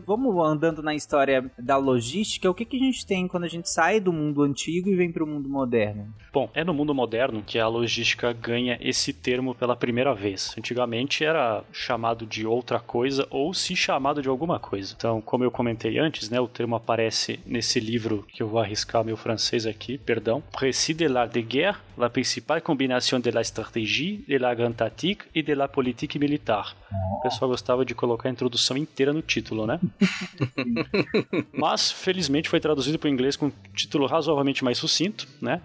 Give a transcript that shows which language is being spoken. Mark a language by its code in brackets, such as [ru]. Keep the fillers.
[pt] Vamos andando na história da logística. O que, que a gente tem quando a gente sai do mundo antigo e vem pro mundo moderno? Bom, é no mundo moderno que a logística ganha esse termo pela primeira vez. Antigamente era chamado de outra coisa ou se chamado de alguma coisa. Então, como eu comentei antes, né, o termo aparece nesse livro que eu vou arriscar meu francês aqui, perdão. [fr] Précis de l'art de guerre, la principale [pt] combinação [fr] de la stratégie, de la grande tactique et de la politique militaire. [pt] O pessoal gostava de colocar a introdução inteira no título, né? Mas, felizmente, foi traduzido para o inglês com um título razoavelmente mais sucinto, né?